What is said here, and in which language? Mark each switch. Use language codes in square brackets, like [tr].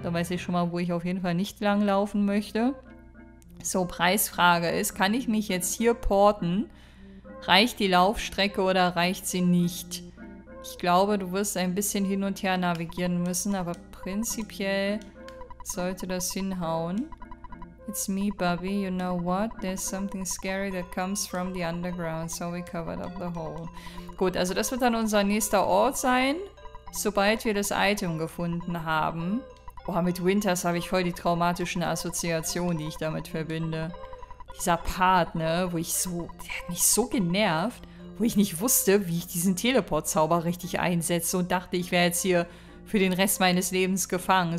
[de] Da weiß ich schon mal, wo ich auf jeden Fall nicht langlaufen möchte. So, Preisfrage ist, kann ich mich jetzt hier porten? Reicht die Laufstrecke oder reicht sie nicht? Ich glaube, du wirst ein bisschen hin und her navigieren müssen, aber prinzipiell sollte das hinhauen. [en] It's me, Bubby. You know what? There's something scary that comes from the underground, so we covered up the hole. [de] Gut, also das wird dann unser nächster Ort sein, sobald wir das Item gefunden haben. Boah, mit Winters habe ich voll die traumatischen Assoziationen, die ich damit verbinde. Dieser Part, ne, wo ich so... Der hat mich so genervt, wo ich nicht wusste, wie ich diesen Teleport-Zauber richtig einsetze und dachte, ich wäre jetzt hier für den Rest meines Lebens gefangen.